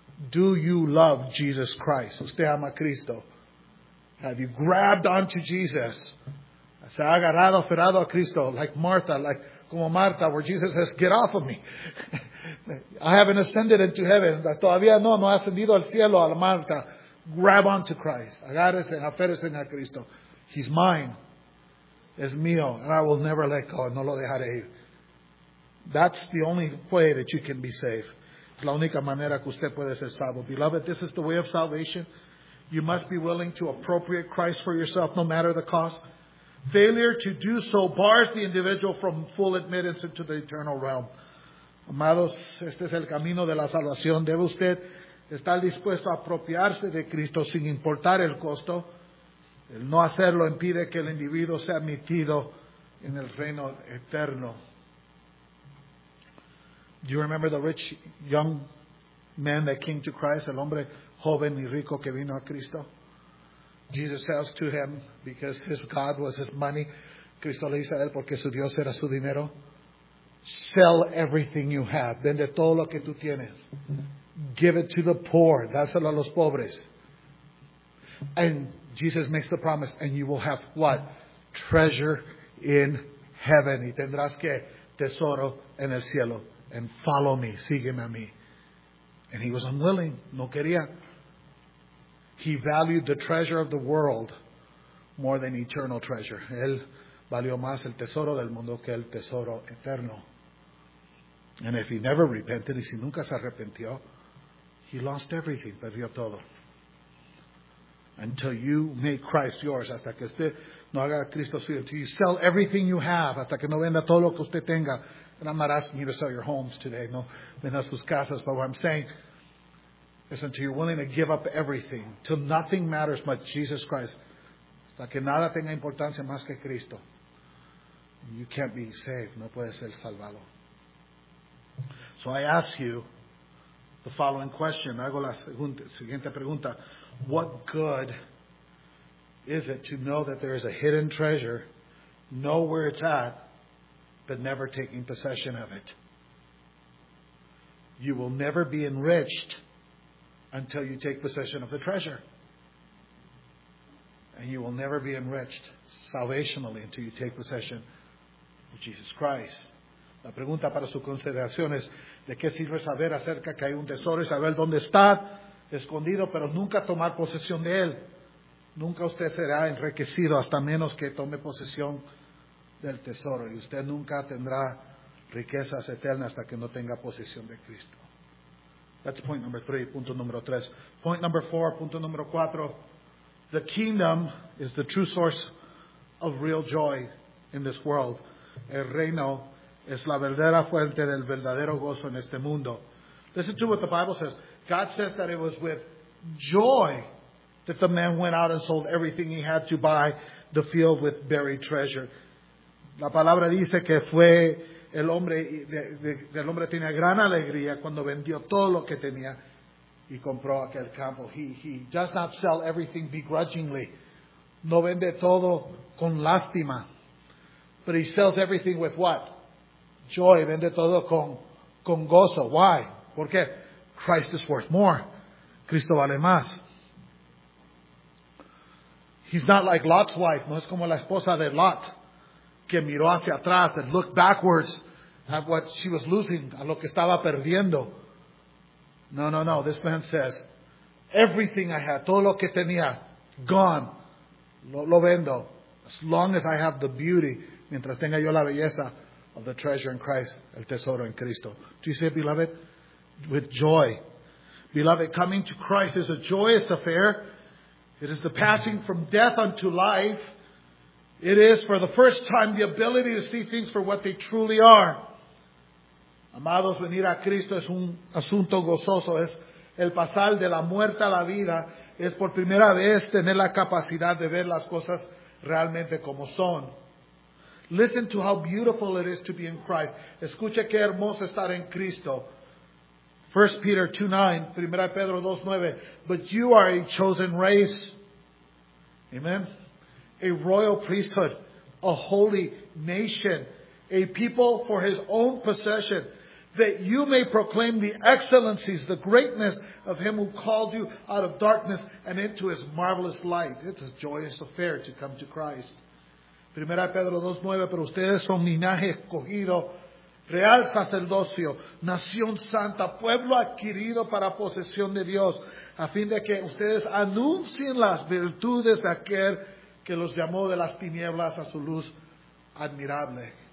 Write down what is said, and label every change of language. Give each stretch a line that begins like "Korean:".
English: Do you love Jesus Christ?
Spanish: Usted ama a Cristo.
English: Have you grabbed onto Jesus?
Spanish: Se ha agarrado, aferrado a Cristo,
English: like Martha, like
Spanish: como Martha,
English: where Jesus says, get off of me. I haven't ascended into heaven.
Spanish: Todavía no ha ascendido al cielo, a la Martha.
English: Grab onto Christ.
Spanish: Agárrese, aférrese a Cristo.
English: He's mine.
Spanish: Es mío.
English: And I will never let go.
Spanish: No lo dejaré ir.
English: That's the only way that you can be saved.
Spanish: Es la única manera que usted puede ser salvo.
English: Beloved, this is the way of salvation. You must be willing to appropriate Christ for yourself, no matter the cost. Failure to do so bars the individual from full admittance into the eternal realm.
Spanish: Amados, este es el camino de la salvación. Debe usted estar dispuesto a apropiarse de Cristo sin importar el costo. El no hacerlo impide que el individuo sea admitido en el reino eterno.
English: Do you remember the rich young man that came to Christ?
Spanish: El hombre joven y rico que vino a Cristo.
English: Jesus says to him, because his God was his money.
Spanish: Cristo le dice a él, porque su Dios era su dinero.
English: Sell everything you have.
Spanish: Vende todo lo que tú tienes.
English: Give it to the poor.
Spanish: Dáselo a los pobres.
English: And Jesus makes the promise, and you will have what? Treasure in heaven.
Spanish: Y tendrás que tesoro en el cielo.
English: And follow me.
Spanish: Sígueme a mí.
English: And he was unwilling.
Spanish: No quería.
English: He valued the treasure of the world more than eternal treasure.
Spanish: Él valió más el tesoro del mundo que el tesoro eterno.
English: And if he never repented,
Spanish: y si nunca se arrepintió,
English: he lost everything,
Spanish: perdió todo.
English: Until you make Christ yours,
Spanish: hasta que usted no haga Cristo suyo,
English: until you sell everything you have,
Spanish: hasta que no venda todo lo que usted tenga.
English: And I'm not asking you to sell your homes today,
Spanish: no venda sus casas,
English: but what I'm saying, it's until you're willing to give up everything, till nothing matters but Jesus Christ,
Spanish: hasta que nada tenga importancia más que Cristo,
English: you can't be saved.
Spanish: No puedes ser salvado.
English: So I ask you the following question.
Spanish: Hago la siguiente pregunta.
English: What good is it to know that there is a hidden treasure, know where it's at, but never taking possession of it? You will never be enriched until you take possession of the treasure. And you will never be enriched salvationally until you take possession of Jesus Christ.
Spanish: La pregunta para su consideración es, ¿de qué sirve saber acerca que hay un tesoro y saber dónde está escondido, pero nunca tomar posesión de él? Nunca usted será enriquecido hasta menos que tome posesión del tesoro. Y usted nunca tendrá riquezas eternas hasta que no tenga posesión de Cristo.
English: That's point number three,
Spanish: punto número tres.
English: Point number four,
Spanish: punto número cuatro.
English: The kingdom is the true source of real joy in this world.
Spanish: El reino es la verdadera fuente del verdadero gozo en este mundo.
English: Listen to what the Bible says. God says that it was with joy that the man went out and sold everything he had to buy the field with buried treasure.
Spanish: La palabra dice que fue... El hombre tenía gran alegría cuando vendió todo lo que tenía y compró aquel campo.
English: He does not sell everything begrudgingly.
Spanish: No vende todo con lástima.
English: But he sells everything with what?
Spanish: Joy. Vende todo con gozo. Why? ¿Por qué?
English: Christ is worth more.
Spanish: Cristo vale más.
English: He's not like Lot's wife.
Spanish: No es como la esposa de Lot, que miró hacia atrás
English: and looked backwards at what she was losing,
Spanish: a lo que estaba perdiendo. No.
English: This man says, everything I had,
Spanish: todo lo que tenía,
English: gone.
Spanish: Lo vendo.
English: As long as I have the beauty,
Spanish: mientras tenga yo la belleza
English: of the treasure in Christ,
Spanish: el tesoro en Cristo.
English: Do you say, beloved? With joy. Beloved, coming to Christ is a joyous affair. It is the passing from death unto life. It is, for the first time, the ability to see things for what they truly are.
Spanish: Amados, venir a Cristo es un asunto gozoso. Es el pasar de la muerte a la vida. Es por primera vez tener la capacidad de ver las cosas realmente como son.
English: Listen to how beautiful it is to be in Christ.
Spanish: Escuche qué hermoso estar en Cristo.
English: 1 Peter 2:9, 1 Pedro 2:9, but you are a chosen race, amen, a royal priesthood, a holy nation, a people for his own possession, that you may proclaim the excellencies, the greatness of him who called you out of darkness and into his marvelous light. It's a joyous affair to come to Christ.
Spanish: 1 Pedro 2:9, pero ustedes son linaje escogido, real sacerdocio, nación santa, pueblo adquirido para posesión de Dios, a fin de que ustedes anuncien las virtudes de aquel que los llamó de las tinieblas a su luz admirable.